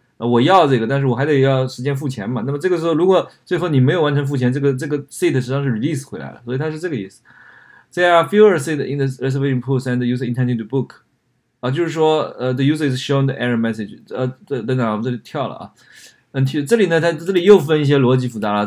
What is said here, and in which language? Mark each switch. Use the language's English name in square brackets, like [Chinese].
[Chinese] 我要这个，但是我还得要时间付钱嘛。那么这个时候，如果最后你没有完成付钱，这个 seat 实际上是 release 回来了，所以它是这个意思。 [English] There are fewer seats in the reservation pool than the user intending to book， [Chinese] 就是说， [English] the user is shown the error message， [Chinese] 等等，我们这里跳了啊。这里呢，它这里又分一些逻辑复杂了。